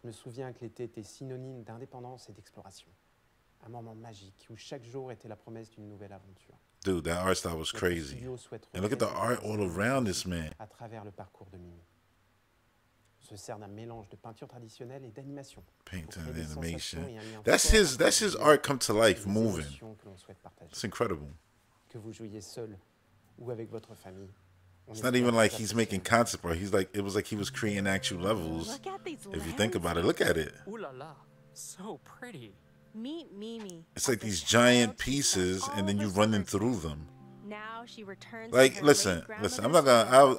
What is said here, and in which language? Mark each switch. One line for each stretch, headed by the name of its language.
French: Je me souviens que l'été était synonyme d'indépendance et d'exploration. Un moment magique où chaque jour était la promesse d'une nouvelle aventure.
English: Dude, that art style was crazy. And look at the art all around this man.
French: À travers le parcours de Mimi. se sert d'un mélange de peinture traditionnelle et d'animation.
English: Painting and animation. That's his art come to life, moving. It's incredible.
French: Que vous jouiez seul ou avec votre famille.
English: It's not even like he's making concept art. He's like, it was like he was creating actual levels. Look at these if you think about it, look at it. Ooh la la, so pretty. Meet Mimi. It's like these giant pieces, and then you're running through them. Now she returns. Like, listen. I'm not gonna.